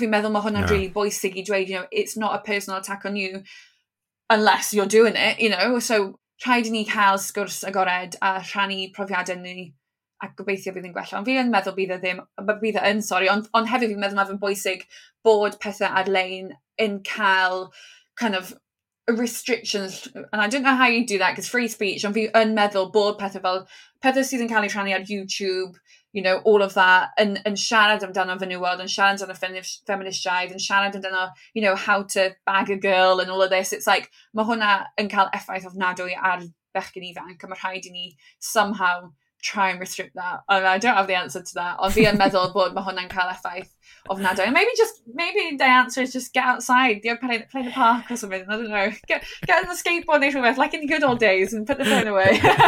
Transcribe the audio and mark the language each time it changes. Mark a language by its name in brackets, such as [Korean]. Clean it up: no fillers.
[Welsh] Fi'n meddwl mae hwnna'n really bwysig i dweud, [English] you know, it's not a personal attack on you unless you're doing it, you know. [Welsh] So rhaid i ni cael sgwrs agored a rhannu profiadau ni a gobeithio bydd yn gwella. Ond fi yn meddwl bydd y ddim, bydd y yn, sori, ond hefyd fi'n meddwl mae fe'n bwysig bod pethau ar-lein yn cael [English] kind of restrictions, and I don't know how you do that, because free speech, [Welsh] ond fi yn meddwl bod pethau fel, pethau sydd yn cael eu rhannu ar YouTube, [English] you know, all of that, [Welsh] yn siarad amdano fy nhywod, yn siarad amdano feministiaid, yn siarad amdano, [English] you know, how to bag a girl and all of this. It's like, [Welsh] mae hwnna yn cael effaith ofnadwy ar bechgyn ifanc, a mae rhaid i ni [English] somehow try and restrict that. I mean, I don't have the answer to that. [Welsh] Ond fi yn meddwl bod mae hwnna'n cael effaith ofnadwy. [English] Maybe the answer is just get outside, you know, play the park or something. I don't know. Get on the skateboard [Welsh] neu rhywbeth, [English] like in the good old days, and put the phone away.